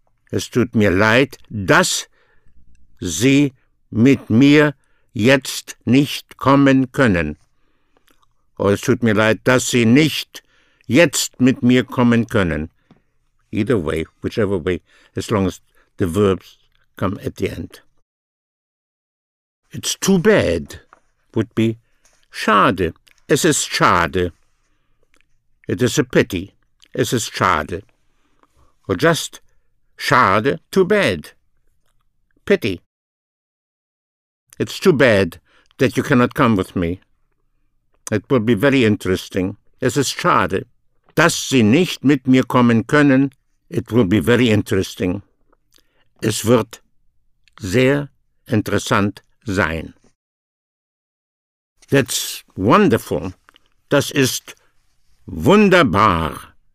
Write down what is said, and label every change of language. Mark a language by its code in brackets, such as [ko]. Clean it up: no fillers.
[de] Es tut mir leid, dass Sie mit mir jetzt nicht kommen können. Or es tut mir leid, dass Sie nicht jetzt mit mir kommen können. [en] Either way, whichever way, as long as the verbs come at the end. It's too bad, would be schade. [de] Es ist schade. [en] It is a pity. [de] Es ist schade. [en] Or just schade, too bad. Pity. It's too bad that you cannot come with me. It will be very interesting. [de] Es ist schade, dass Sie nicht mit mir kommen können. [en] It will be very interesting. [de] Es wird sehr interessant sein. [en] That's wonderful. [de] Das ist wunderbar.